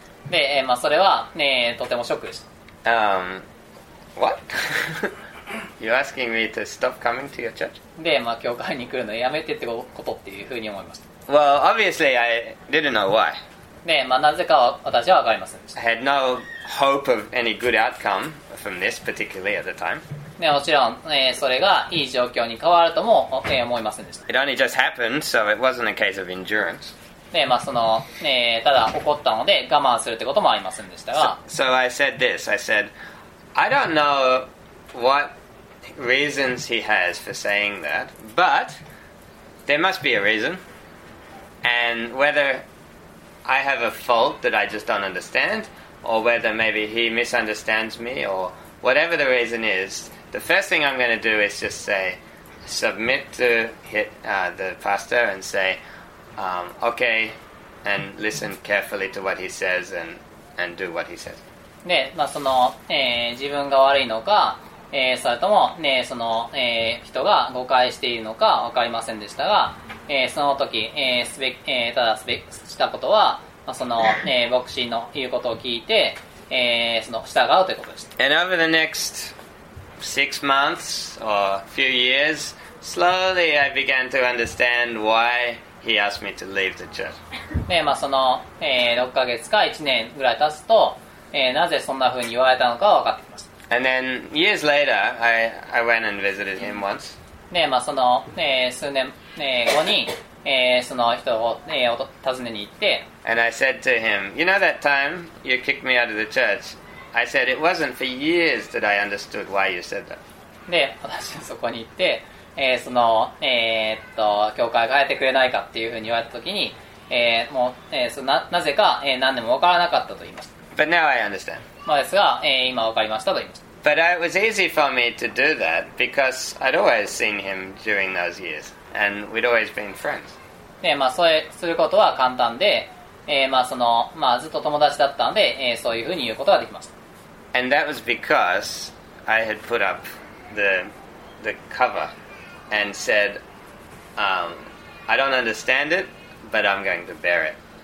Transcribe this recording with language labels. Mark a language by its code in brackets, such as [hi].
[ja] で、まあそれは、ね、とてもショックでした [en] What? You're asking me to stop coming to your church? [ja] で、まあ、教会に来るのやめてってことっていうふうに思いました。 [en] Well, obviously I didn't know why. [ja] で、まあ、なぜかは私はわかりませんでした。 [en] I had no hope of any good outcome from this particularly at the time. [ja] で、もちろん、それがいい状況に変わるとも、思いませんでした。 [en] It only just happened, so it wasn't a case of endurance. [ja] で、まあ、その、ただ起こったので我慢するってこともありませんでしたが。 [en] So I said this. I said, I don't know... What reasons he has for saying that, but there must be a reason, and whether I have a fault that I just don't understand, or whether maybe he misunderstands me, or whatever the reason is, the first thing I'm going to do is just say, submit to the pastor and say, okay, and listen carefully to what he says and do what he says. [ja] ね、まあその、自分が悪いのか。それとも、ね、その、人が誤解しているのか分かりませんでしたが、その時、すべ、ただすべしたことは、まあ、その、牧師の言うことを聞いて、その従うということでした。 [en] And over the next 6 months or few years, slowly I began to understand why he asked me to leave the church. [ja] で、まあ、その、6ヶ月か1年ぐらい経つと、なぜそんな風に言われたのかは分かってきました。 [en] And then years later, I went and visited him once. [ja] ね、まあその、数年、後に、その人を、訪ねに行って。 [en] And I said to him, you know that time you kicked me out of the church? I said, it wasn't for years that I understood why you said that. [ja] で、私はそこに行って、その、教会変えてくれないかっていうふうに言われたときに、もう、その なぜか、何でも分からなかったと言いました。 [en] But now I understand. [ja] まあですが、今分かりましたと言いました。 [en] But it was easy for me to do that because I'd always seen him during those years and we'd always been friends. [ja] で、まあ、それすることは簡単で、まあそのまあ、ずっと友達だったんで、そういうふうに言うことができました。 [en] And that was because I had put up the cover and said, I don't understand it, but I'm going to bear it.